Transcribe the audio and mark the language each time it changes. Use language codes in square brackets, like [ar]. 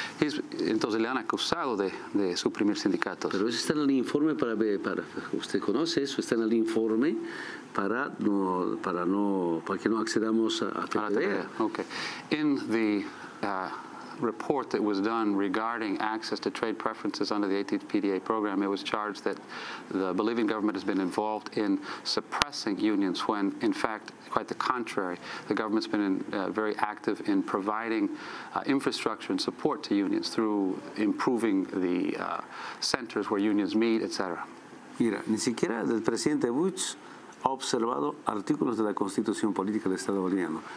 [es] He's, entonces le han acusado de suprimir sindicatos. Pero eso está en el informe para usted conoce eso, está en el informe para que no accedamos a la TVA. [en] Okay. In the report that was done regarding access to trade preferences under the 18th PDA program, it was charged that the Bolivian government has been involved in suppressing unions when, in fact, quite the contrary. The government's been very active in providing infrastructure and support to unions through improving the centers where unions meet, etc. [es] Mira, ni siquiera el presidente Butch ha observado artículos de la Constitución Política del Estado Boliviano.